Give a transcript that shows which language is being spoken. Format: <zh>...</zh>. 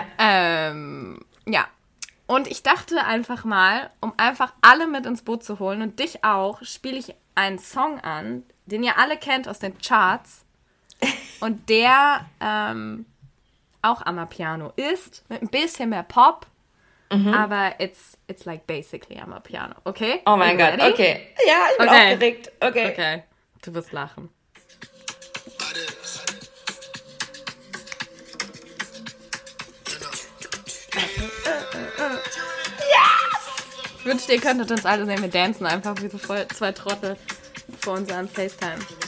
<de>ja. Und ich dachte einfach mal, um einfach alle mit ins Boot zu holen und dich auch, spiele ich einen Song an, den ihr alle kennt aus den Charts und der auch Amapiano ist, mit ein bisschen mehr Pop. Aber</de> <en>it's like basically I'm a piano, okay?</en> <de>Oh mein Gott, okay. Ja, ich bin aufgeregt, okay. Okay, du wirst lachen.</de> <en>Yes!</en> <de>Ich wünschte, ihr könntet uns alle sehen, wir dancen einfach wie so voll zwei Trottel vor unserem FaceTime.</de>